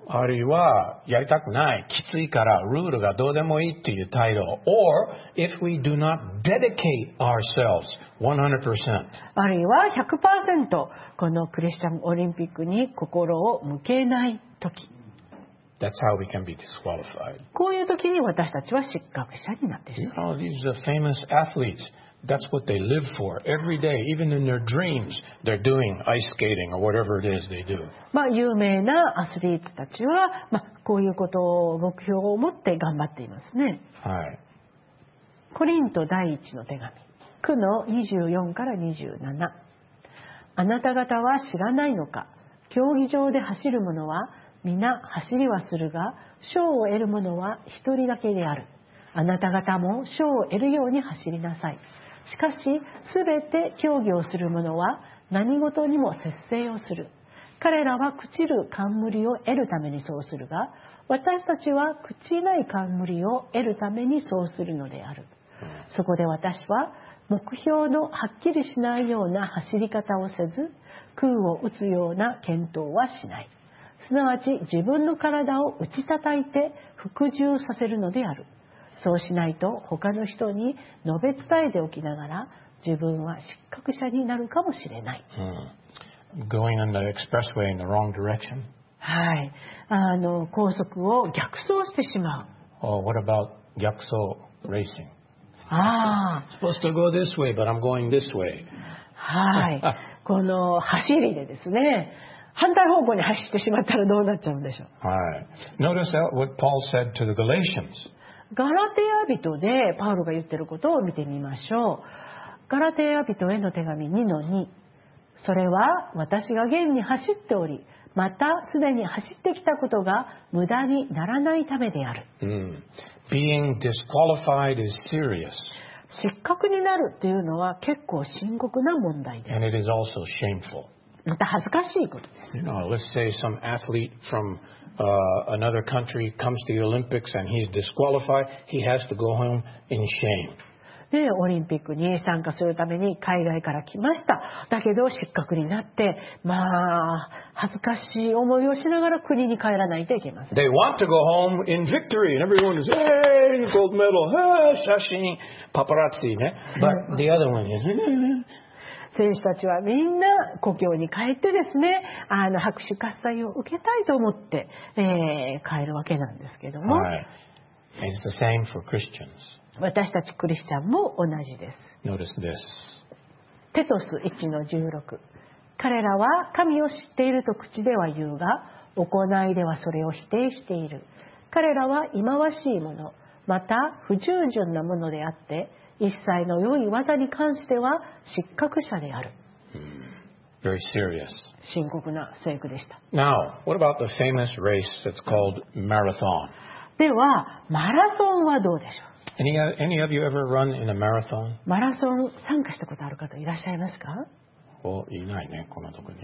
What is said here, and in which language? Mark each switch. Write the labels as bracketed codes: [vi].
[ja] あるいはやりたくない、きついから、ルールがどうでもいいという態度、 [en] or if we do not dedicate ourselves 100%、 [ja] あるいは 100% このクリスチャンオリンピックに心を向けないとき、 [en] That's how we can be disqualified. [ja] こういうときに私たちは失格者になってしまう。 [en] You know, these are famous athletes. That's what they live for every day, even in their dreams, they're doing ice skating or whatever it is they do. [ja] まあ有名なアスリートたちは、まあこういうことを目標を持って頑張っていますね。はい。コリント第一の手紙、9の24から27。あなた方は知らないのか。競技場で走る者は皆走りはするが、賞を得る者は一人だけである。あなた方も賞を得るように走りなさい。しかし、すべて競技をする者は何事にも節制をする。彼らは朽ちる冠を得るためにそうするが、私たちは朽ちない冠を得るためにそうするのである。そこで私は目標のはっきりしないような走り方をせず、空を打つような検討はしない。すなわち自分の体を打ち叩いて服従させるのである。そうしないと他の人に述べ伝えておきながら自分は失格者になるかもしれない。 [en] Going on the expressway in the wrong direction. [ja] はい、あの高速を逆走してしまう。 [en] Oh, what about 逆走 racing? [ja] ああ。 [en] Supposed to go this way, but I'm going this way. [ja] はい。この走りでですね、反対方向に走ってしまったらどうなっちゃうんでしょう。 [en] はい。Notice what Paul said to the Galatians. [ja] ガラテヤ人でパウロが言っていることを見てみましょう。ガラテヤ人への手紙2の2。それは私が現に走っており、またすでに走ってきたことが無駄にならないためである、 [en] Being disqualified is serious. [ja] 失格になるというのは結構深刻な問題です。 [en] And it is also shameful. [ja] また恥ずかしいことです。 [en] you know, Let's say some athlete fromanother country comes to the Olympics and he's disqualified. He has to go home in shame. [ja] で、オリンピックに参加するために海外から来ました。だけど失格になって、まあ恥ずかしい思いをしながら国に帰らないといけません。 [en] They want to go home in victory, and everyone is, hey, gold medal, hey, [ja] 写真、パパラッツィね。 [en] But the other one is. [ja] 選手たちはみんな故郷に帰ってですね、あの拍手喝采を受けたいと思って、帰るわけなんですけども、 [en] はい、It's the same for Christians. [ja] 私たちクリスチャンも同じです。 [en] Notice this. [ja] テトス 1-16。彼らは神を知っていると口では言うが、行いではそれを否定している。彼らは忌まわしいもの、また不従順なものであって、一切の良い技に関しては失格者である。 [en] Very serious. [ja] 深刻な聖句でした。 [en] Now, what about the famous race that's called marathon? [ja] では、マラソンはどうでしょう? [en] Any of you ever run in a marathon? [ja] マラソン参加したことある方いらっしゃいますか? いないね、こんなとこに。